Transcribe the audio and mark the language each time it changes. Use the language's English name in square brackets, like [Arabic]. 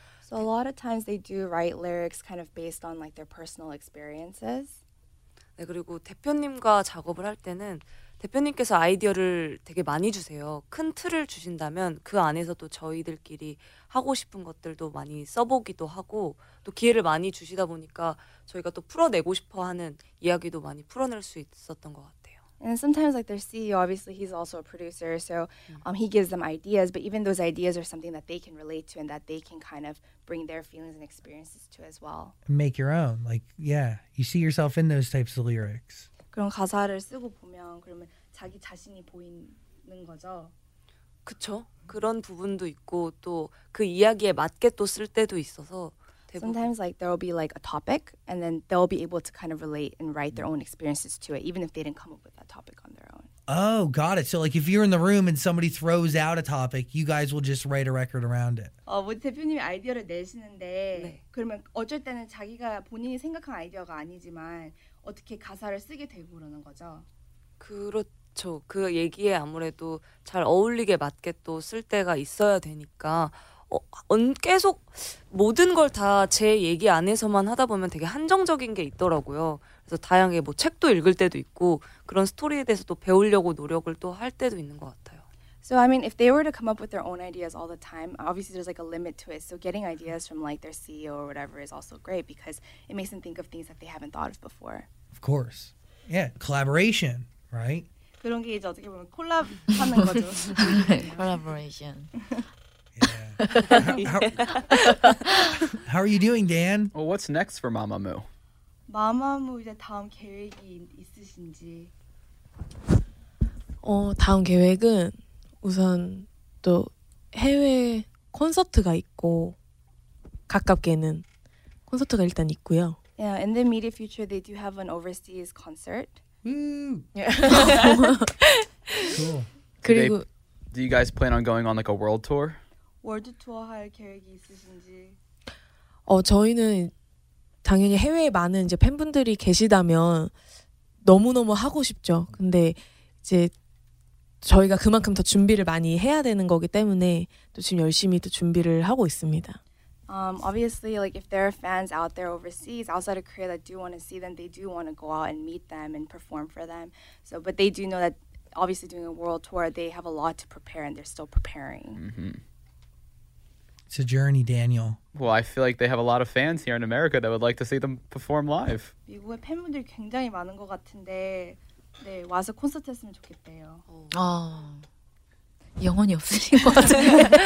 [English] So a lot of times they do write lyrics kind of based on like their personal experiences. [Korean] 네, 그리고 대표님과 작업을 할 때는 대표님께서 아이디어를 되게 많이 주세요. 큰 틀을 주신다면 그 안에서 또 저희들끼리 하고 싶은 것들도 많이 써보기도 하고 또 기회를 많이 주시다 보니까 저희가 또 풀어내고 싶어하는 이야기도 많이 풀어낼 수 있었던 것 같아요. [English] And sometimes like their CEO, obviously he's also a producer, so he gives them ideas, but even those ideas are something that they can relate to and that they can kind of bring their feelings and experiences to as well. Make your own. Like, yeah, you see yourself in those types of lyrics. [Korean] 그런 가사를 쓰고 보면 그러면 자기 자신이 보이는 거죠? 그쵸. 그런 부분도 있고 또 그 이야기에 맞게 또 쓸 때도 있어서 대부분. [English] Sometimes like there will be like a topic and then they'll be able to kind of relate and write their own experiences to it even if they didn't come up with that topic on their own. Oh, got it. So like if you're in the room and somebody throws out a topic, you guys will just write a record around it. [Korean] 뭐 대표님이 아이디어를 내시는데 네. 그러면 어쩔 때는 자기가 본인이 생각한 아이디어가 아니지만 어떻게 가사를 쓰게 되고 그러는 거죠? 그렇죠. 그 얘기에 아무래도 잘 어울리게 맞게 또 쓸 때가 있어야 되니까 계속 모든 걸 다 제 얘기 안에서만 하다 보면 되게 한정적인 게 있더라고요. 그래서 다양하게 뭐 책도 읽을 때도 있고 그런 스토리에 대해서 또 배우려고 노력을 또 할 때도 있는 것 같아요. [English] So I mean, if they were to come up with their own ideas all the time, obviously there's like a limit to it. So getting ideas from like their CEO or whatever is also great because it makes them think of things that they haven't thought of before. Of course. Yeah, collaboration, right? [Korean] 그런 게 이제 어떻게 보면 콜라보하는 거죠. [English] Collaboration. Yeah. How are you doing, Dan? Well, what's next for Mamamoo? [Korean] Mamamoo 이제 다음 계획이 있으신지. 다음 계획은 우선 또 해외 콘서트가 있고 가깝게는 콘서트가 일단 있고요. [English] Yeah, in the immediate future, they do have an overseas concert. Cool. Do you guys plan on going on like a world tour? [Korean] World tour 할 계획이 있으신지? 어 저희는 당연히 해외에 많은 이제 팬분들이 계시다면 너무 너무 하고 싶죠. 근데 이제 저희가 그만큼 더 준비를 많이 해야 되는 거기 때문에 또 지금 열심히 또 준비를 하고 있습니다. [English] Obviously, like if there are fans out there overseas, outside of Korea, that do want to see them, they do want to go out and meet them and perform for them. So, but they do know that obviously doing a world tour, they have a lot to prepare and they're still preparing. Mm-hmm. It's a journey, Daniel. Well, I feel like they have a lot of fans here in America that would like to see them perform live. [Korean] 미국에 팬분들이 굉장히 많은 것 같은데, 네 와서 콘서트 했으면 좋겠대요. 아. 영혼이 없으신 것 같아요.